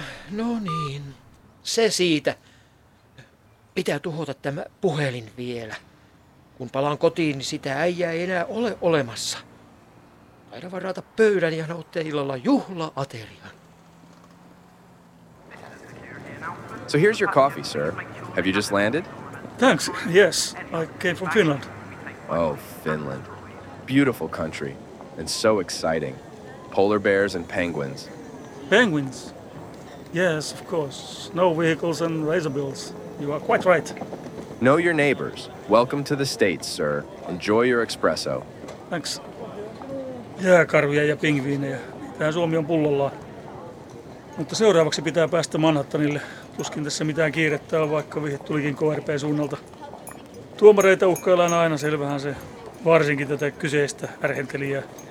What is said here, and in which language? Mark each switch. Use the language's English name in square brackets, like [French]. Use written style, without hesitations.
[Finnish] No niin, se siitä. Pitää tuhota tämä puhelin vielä. Kun palaan kotiin, niin sitä äijää ei enää ole olemassa. Taidaan varata pöydän ja nauttia illalla juhla-aterian. [English] So here's your coffee, sir. Have you just landed? Thanks, yes. I came from Finland. Oh, Finland. Beautiful country. And so exciting. Polar bears and penguins. Penguins? Yes, of course. No vehicles and razor bills. You are quite right. Know your neighbors. Welcome to the States, sir. Enjoy your espresso. Thanks. [Finnish] Jääkarvia ja pingviinejä. Tähän Suomi on pullollaan. Mutta seuraavaksi pitää päästä Manhattanille. Tuskin tässä mitään kiirettä on, vaikka vihe tulikin KRP-suunnalta. Tuomareita uhkaillaan aina, selvähän se. Varsinkin tätä kyseistä ärhentelijää.